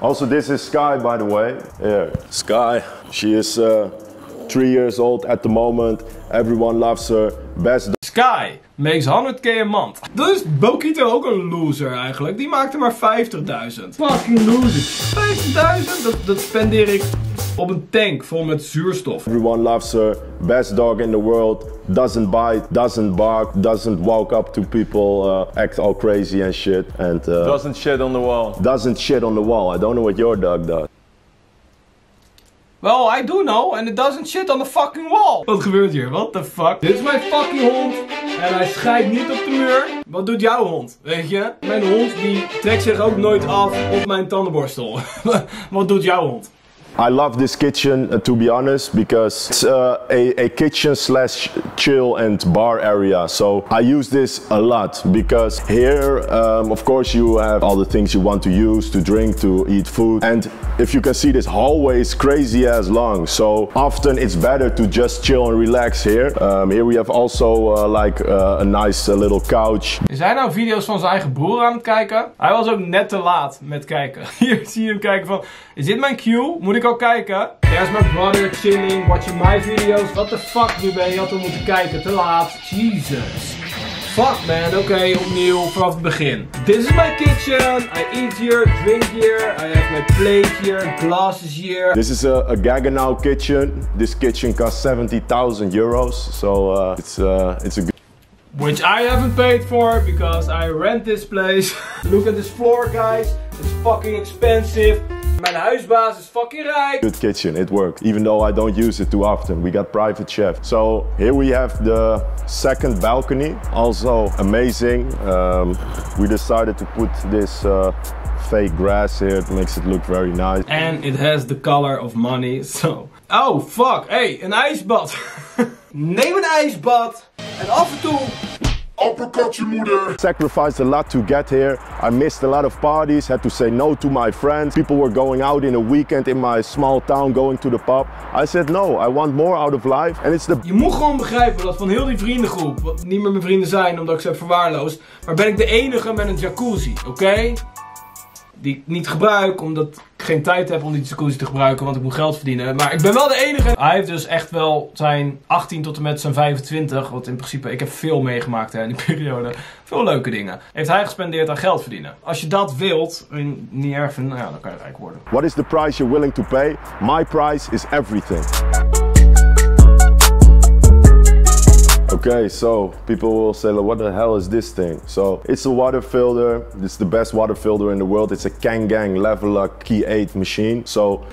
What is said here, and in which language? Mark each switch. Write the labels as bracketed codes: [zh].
[en] Also, this is Sky, by the way. Here. Sky. She is 3 years old at the moment. Everyone loves her. Best. Sky makes 100k a month. [nl] Dat is Bokito ook een loser eigenlijk. Die maakte maar 50.000. [en] Fucking loser. [nl] 50.000? Dat spendeer ik. Op een tank vol met zuurstof. [en] Everyone loves her. Best dog in the world. Doesn't bite, doesn't bark, doesn't walk up to people, act all crazy and shit. And doesn't shit on the wall. Doesn't shit on the wall. I don't know what your dog does. Well, I do know, and it doesn't shit on the fucking wall. [nl] Wat gebeurt hier? [en] What the fuck? [nl] Dit is mijn fucking hond. En hij schijt niet op de muur. Wat doet jouw hond? Weet je? Mijn hond die trekt zich ook nooit af op mijn tandenborstel. Wat doet jouw hond? [en] I love this kitchen, to be honest, because it's a kitchen / chill and bar area. So I use this a lot because here, of course, you have all the things you want to use, to drink, to eat food. And if you can see, this hallway is crazy as long. So often it's better to just chill and relax here. Here we have also a nice little couch. [nl] Is hij nou video's van zijn eigen broer aan het kijken? Hij was ook net te laat met kijken. Hier zie je hem kijken van, is dit mijn cue? Moet ik al kijken? [en] There's my brother chilling, watching my videos. What the fuck, [nl] nu ben je al te moeten kijken, te laat. [en] Jesus. [nl] Fuck man, oké, opnieuw, vanaf het begin. [en] This is my kitchen, I eat here, drink here, I have my plate here, glasses here. This is a Gaggenau kitchen. This kitchen costs 70.000 euros, so it's a good... Which I haven't paid for, because I rent this place. Look at this floor, guys. It's fucking expensive. [nl] Mijn huisbaas is fucking rijk. [en] Good kitchen, it worked. Even though I don't use it too often. We got private chef. So here we have the second balcony. Also amazing. We decided to put this fake grass here. It makes it look very nice. And it has the color of money, so. [nl] Oh fuck, hey, een ijsbad. Neem een ijsbad. En af en toe, [en] Uppercut your moeder. Sacrificed a lot to get here. I missed a lot of parties, had to say no to my friends. People were going out in a weekend in my small town, going to the pub. I said no, I want more out of life. And it's the... [nl] Je moet gewoon begrijpen dat van heel die vriendengroep, wat niet meer mijn vrienden zijn omdat ik ze heb verwaarloosd, maar ben ik de enige met een jacuzzi, oké? Die ik niet gebruik, omdat ik geen tijd heb om die jacuzzi te gebruiken, want ik moet geld verdienen. Maar ik ben wel de enige. Hij heeft dus echt wel zijn 18 tot en met zijn 25, wat in principe, ik heb veel meegemaakt in die periode. Veel leuke dingen. Heeft hij gespendeerd aan geld verdienen. Als je dat wilt, niet erg vindt, nou ja, dan kan je rijk worden. [en] What is the price you're willing to pay? My price is everything. Okay, so people will say, what the hell is this thing? So it's a water filter. It's the best water filter in the world. It's a Kangang Levelock Key 8 machine. So